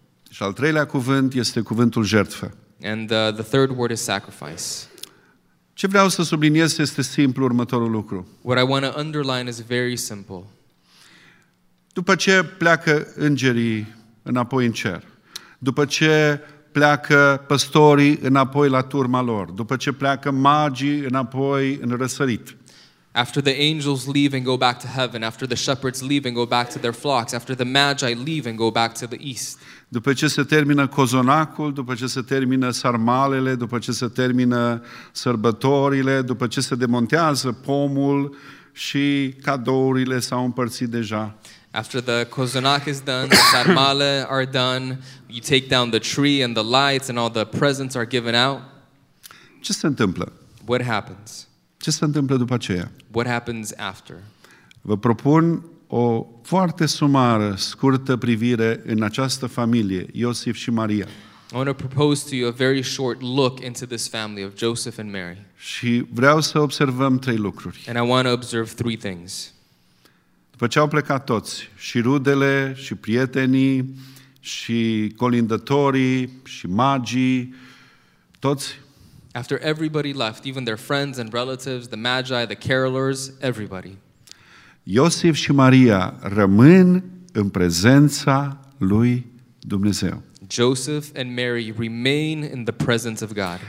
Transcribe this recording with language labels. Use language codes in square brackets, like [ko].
[ro] Și al treilea cuvânt este cuvântul jertfă. [en] And the third word is sacrifice. [ro] Ce vreau să subliniez este simplu următorul lucru. [en] What I want to underline is very simple. [ro] După ce pleacă îngerii înapoi în cer, după ce pleacă păstorii înapoi la turma lor, după ce pleacă magii înapoi în răsărit. [en] After the angels leave and go back to heaven, after the shepherds leave and go back to their flocks, after the magi leave and go back to the east. [ro] După ce se termină cozonacul, după ce se termină sarmalele, după ce se termină sărbătorile, după ce se demontează pomul și cadourile s-au împărțit deja. [en] After the cozonac is done, the sarmale are done, you take down the tree and the lights and all the presents are given out. [ro] Ce se întâmplă? [en] What happens? [ro] Ce se întâmplă după aceea? [en] What happens after? [ro] Vă propun o foarte sumară, scurtă privire în această familie, Iosif și Maria. [en] I want to propose to you a very short look into this family of Joseph and Mary. [ro] Și vreau să observăm trei lucruri. [en] And I want to observe three things. [ro] După ce au plecat toți, și rudele, și prietenii, și colindătorii, și magii, toți. [en] After everybody left, even their friends and relatives, the magi, the carolers, everybody. [ro] Iosif și Maria rămân în prezența lui Dumnezeu. [en] Joseph and Mary remain in the presence of God.